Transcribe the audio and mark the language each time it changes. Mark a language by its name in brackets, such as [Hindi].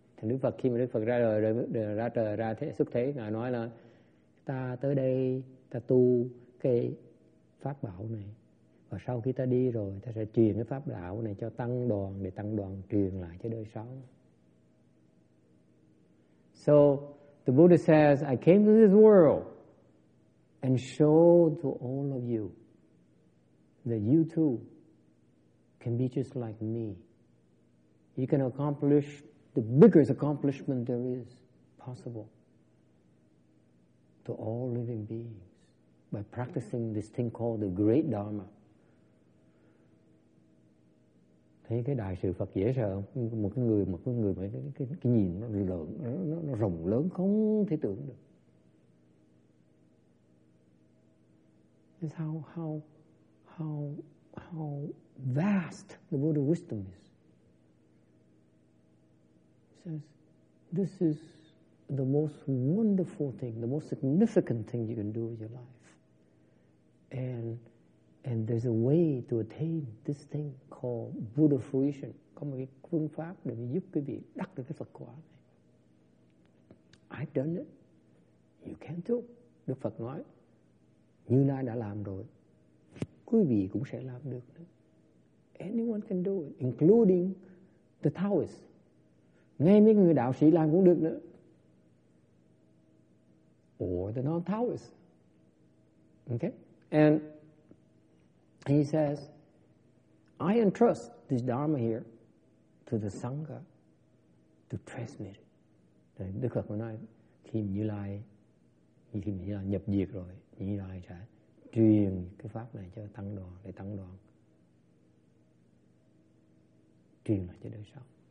[Vietnamese] Thành Đức Phật khi mà Đức Phật ra đời, ra trời, ra thế, xuất thế, Ngài nói là ta tới đây, ta tu cái pháp bảo này. Và sau khi ta đi rồi, ta sẽ truyền cái pháp bảo này cho tăng đoàn, để tăng đoàn truyền lại cho đời sau. [English] So, the Buddha says, I came to this world and show to all of you that you too can be just like me. You can accomplish the biggest accomplishment there is possible to all living beings by practicing this thing called the Great Dharma. [Vietnamese] Thấy cái đại sự Phật dễ sợ không? Một cái người mà cái nhìn nó lớn, nó rộng lớn không thể tưởng được. [English] It's how vast the Buddha wisdom is. Says, this is the most wonderful thing, the most significant thing you can do with your life. And there's a way to attain this thing called Buddha fruition. [Vietnamese] Có một cái phương pháp để giúp quý vị đắc được cái Phật quả này. [English] I've done it. You can too. [Vietnamese] Đức Phật nói, Như Lai đã làm rồi, quý vị cũng sẽ làm được. [English] Anyone can do it, including the Taoists. [Vietnamese] Ngay mấy người đạo sĩ làm cũng được nữa. [English] Or the non-Taoists. Okay? And he says, I entrust this Dharma here to the Sangha to transmit it. [Vietnamese] Đấy, Đức Phật nói, khi Như Lai nhập diệt rồi, Như Lai sẽ truyền cái pháp này cho tăng đoàn, để tăng đoàn truyền lại cho đời sau.